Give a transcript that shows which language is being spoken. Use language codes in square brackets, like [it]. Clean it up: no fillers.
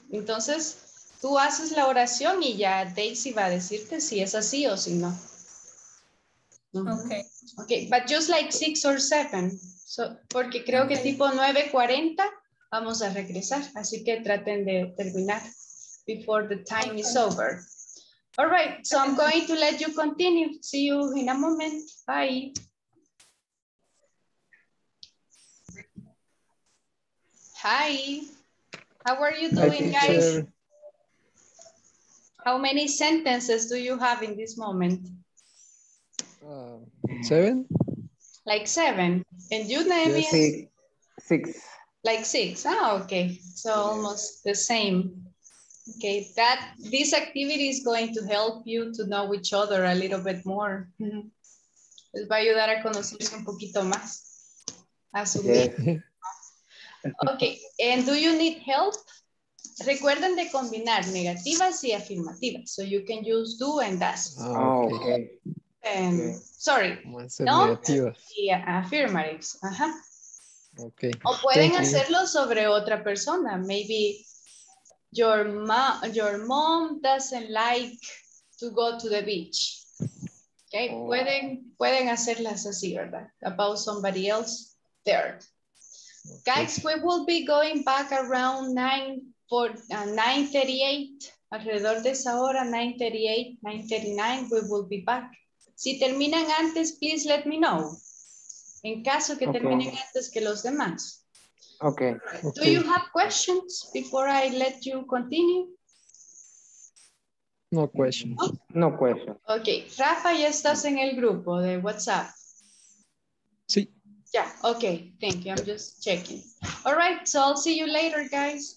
[es] Entonces, tú haces la oración y ya Daisy va a decirte si es así o si no. [en] Okay. Okay, but just like six or seven. [es] So, porque creo que tipo 9:40 vamos a regresar. Así que traten de terminar [en] before the time is over. All right, so I'm going to let you continue. See you in a moment. Bye. Hi. How are you doing, guys? How many sentences do you have in this moment? Seven. Like seven. And you, Naomi? Six. Like six. Ah, okay. So almost the same. Okay, that this activity is going to help you to know each other a little bit more. [es] Les va a ayudar a conocerse un poquito más. [en] Asumir. Yeah. Okay, and do you need help? [es] Recuerden de combinar negativas y afirmativas. [en] So you can use do and does. Oh, okay. And, okay. Sorry. [es] No, negativas. Y affirmatives. [en] Okay. [es] O pueden hacerlo sobre otra persona. [en] Maybe your mom doesn't like to go to the beach. Okay, oh. [es] Pueden hacerlas así, ¿verdad? [en] About somebody else there. Guys, we will be going back around 9:38, [es] alrededor de esa hora, [en] 9:38, 9:39, we will be back. [es] Si terminan antes, [en] please let me know. [es] En caso que terminen antes que los demás. [en] Okay. Do you have questions before I let you continue? No questions. No questions. [es] Okay, Rafa, ya estás en el grupo de WhatsApp. Sí. [en] Yeah, okay, thank you. I'm just checking. All right, so I'll see you later, guys.